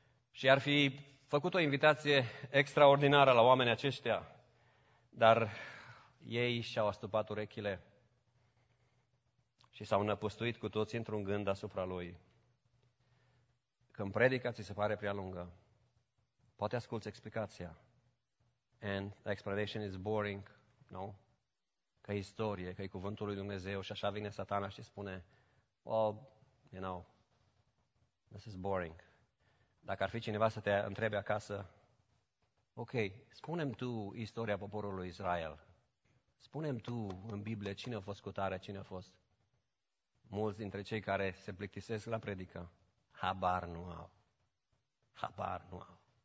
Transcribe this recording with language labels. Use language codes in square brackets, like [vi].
[ro] Și ar fi făcut o invitație extraordinară la oamenii aceștia, dar ei și-au astupat urechile și s-au năpustuit cu toți într-un gând asupra lui. Când predica ți se pare prea lungă, poate asculți explicația. [en] And the explanation is boring, no? [ro] Că e istorie, că e cuvântul lui Dumnezeu și așa vine satana și spune, [en] well, you know, this is boring. [ro] Dacă ar fi cineva să te întrebe acasă, ok, spune-mi tu istoria poporului Israel. Spune-mi tu în Biblie cine a fost cu tare, cine a fost. Mulți dintre cei care se plictisesc la predică, habar nu au. Habar nu au.